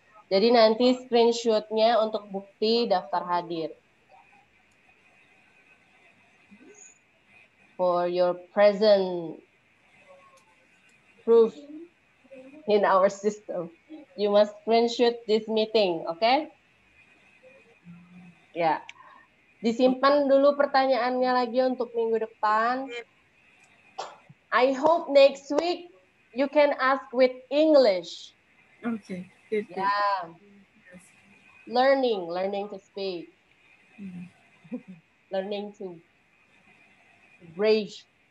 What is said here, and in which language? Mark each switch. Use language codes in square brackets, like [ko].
[id] Jadi nanti screenshotnya untuk bukti daftar hadir. [en] For your present proof in our system, you must screenshot this meeting, okay? Ya, yeah. [id] Disimpan dulu pertanyaannya lagi untuk minggu depan. [en] I hope next week you can ask with English. Okay. Good, yeah. Good. Learning to speak. Mm-hmm. Learning to bridge.